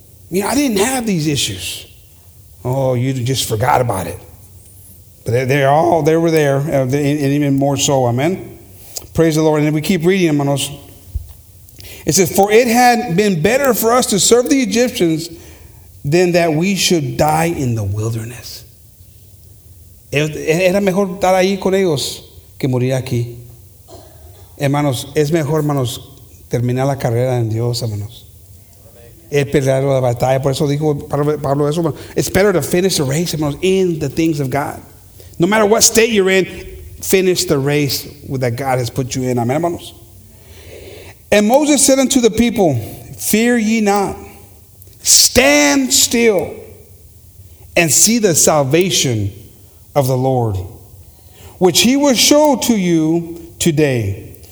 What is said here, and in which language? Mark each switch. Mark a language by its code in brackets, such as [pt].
[en] You know, I didn't have these issues. Oh, you just forgot about it. But they were there, and even more so, amen? Praise the Lord. And then we keep reading, hermanos. It says, for it had been better for us to serve the Egyptians than that we should die in the wilderness. [es] Era mejor estar ahí con ellos que morir aquí. Hermanos, es mejor, hermanos, terminar la carrera en Dios, hermanos. Es pelear la batalla. Por eso dijo Pablo eso. [en] It's better to finish the race, hermanos, in the things of God. No matter what state you're in, finish the race that God has put you in. Amen, hermanos. And Moses said unto the people, fear ye not, stand still, and see the salvation of the Lord, which he will show to you today.